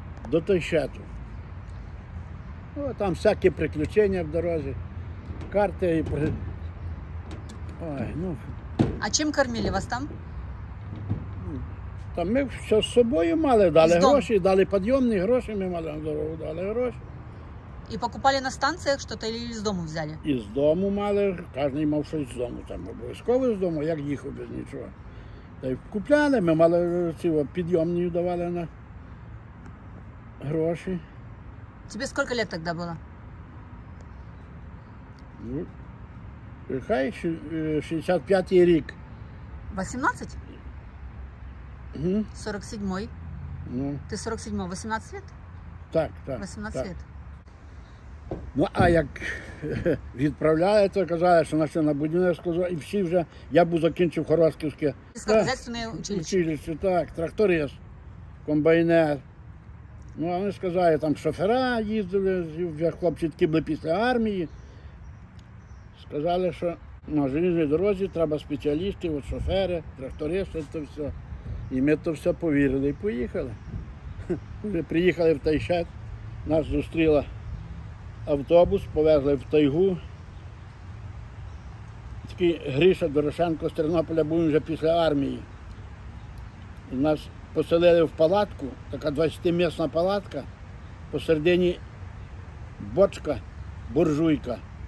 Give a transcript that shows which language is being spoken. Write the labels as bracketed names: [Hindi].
[Ukrainian] До Тайшету. Ну, там всякі приключення в дорозі. Карти і... Ой, ну... А чим кормили вас там? Там ми все з собою мали, дали гроші, дали підйомні гроші, ми мали на дорогу, дали гроші. [Russian] И покупали на станциях что-то или из дому взяли? [Ukrainian] Из дому мали, каждый мав щось з дому, там обов'язково з дому, як їхав без нічого. Та й купляли, ми мали ці підйомні давали на гроші. Тебе скільки років тоді було? Ну, хай 65-й рік. 18? Угу. 47-й. Ну. Ти 47-й, 18 років? Так, так. 18 років. Ну, а як відправляли, то казали, що на все на будівництво, і всі вже, я був закінчив Хоростківське. Сільськогосподарське училище. Так, тракторист, комбайнер. Ну, а вони сказали, там шофера їздили, хлопці такі були після армії. Сказали, що на залізній дорозі треба спеціалісти, от шофери, трактористи, то все. І ми то все повірили і поїхали. Ми приїхали в Тайшет, нас зустріла. Автобус повезли в тайгу. Такий Гриша Дорошенко з Тернополя був вже після армії. Нас поселили в палатку, така 20-місна палатка. Посередині бочка, буржуйка.